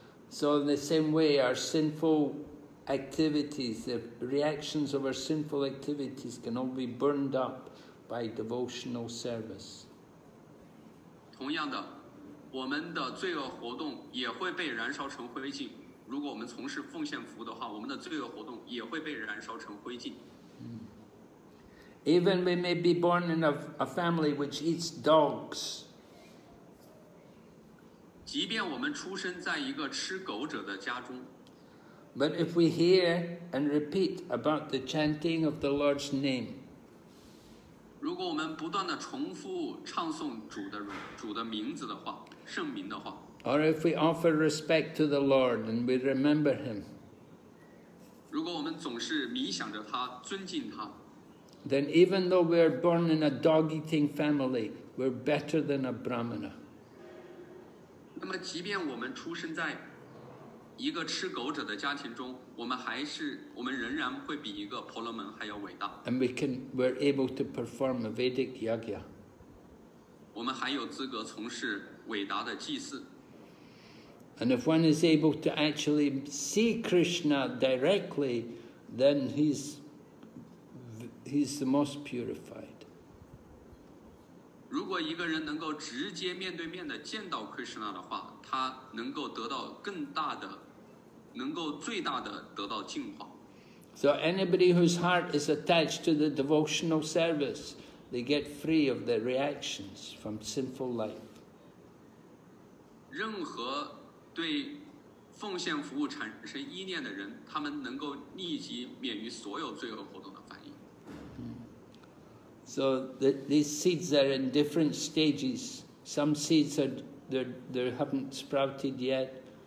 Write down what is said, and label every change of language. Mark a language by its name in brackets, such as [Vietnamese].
[English] So in the same way, our sinful activities, the reactions of our sinful activities can all be burned up. By devotional service. [Chinese] 同样的，我们的罪恶活动也会被燃烧成灰烬。如果我们从事奉献服务的话，我们的罪恶活动也会被燃烧成灰烬。 [English] Even we may be born in a family which eats dogs. [Chinese] 即便我们出生在一个吃狗者的家中。 [English] But if we hear and repeat about the chanting of the Lord's name. [Chinese] 如果我们不断地重复唱诵主的名字的话，圣名的话 [English] ，Or if we offer respect to the Lord and we remember Him， [Chinese] 如果我们总是冥想着他，尊敬他 [English] ，Then even though we are born in a dog-eating family, we're better than a Brahmana。 [Chinese] 那么，即便我们出生在一个吃狗者的家庭中，我们仍然会比一个婆罗门还要伟大。 [English] And we're able to perform a Vedic yagya. [Chinese] 我们还有资格从事伟大的祭祀。 [English] And if one is able to actually see Krishna directly, then he's the most purified. [Chinese] 如果一个人能够直接面对面的见到 Krishna 的话，他能够得到更大的。能够最大的得到净化。 [English] So anybody whose heart is attached to the devotional service, they get free of their reactions from sinful life. [Chinese] 任何对奉献服务产生意念的人，他们能够立即免于所有罪恶活动的反应。 [English] So these seeds are in different stages. Some seeds are they haven't sprouted yet.